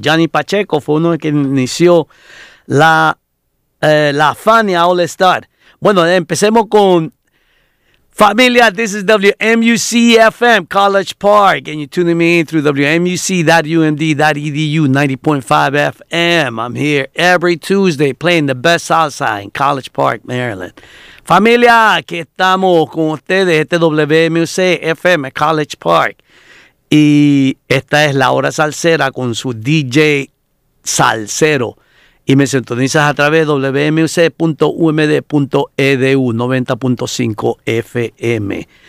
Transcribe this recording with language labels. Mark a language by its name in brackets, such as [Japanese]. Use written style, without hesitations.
[Spanish] Johnny Pacheco fue uno que inició la Fania All Star. Bueno, empecemos con familia. [English] This is WMUC FM College Park, and you're tuning me in through WMUC.UMD.EDU 90.5 FM. I'm here every Tuesday playing the best salsa in College Park, Maryland. [Spanish] Familia, aquí estamos con ustedes, este WMUC FM College Park, y esta es la hora salsera con su DJ Salsero. Y me sintonizas a través de wmuc.umd.edu 90.5 FM.